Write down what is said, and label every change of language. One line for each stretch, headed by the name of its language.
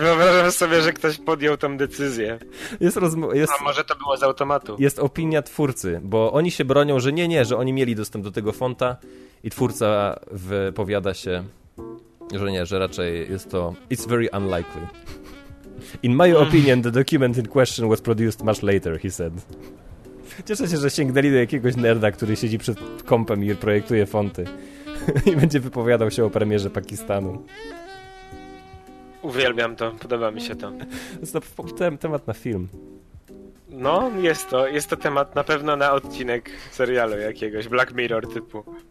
Polish: Wyobrażam sobie, że ktoś podjął tą decyzję. Jest A może to było z automatu? Jest opinia twórcy, bo oni się bronią, że nie, że oni mieli dostęp do tego fonta i twórca wypowiada się, że nie, że raczej jest to
English: it's very unlikely. In my opinion, the document in question was produced much later, he said.
Polish: Cieszę się, że sięgnęli do jakiegoś nerda, który siedzi przed kompem i projektuje fonty i będzie wypowiadał się o premierze Pakistanu. Uwielbiam to, podoba mi się to. Jest to temat na film. No, jest to temat na pewno na odcinek serialu jakiegoś, Black Mirror typu.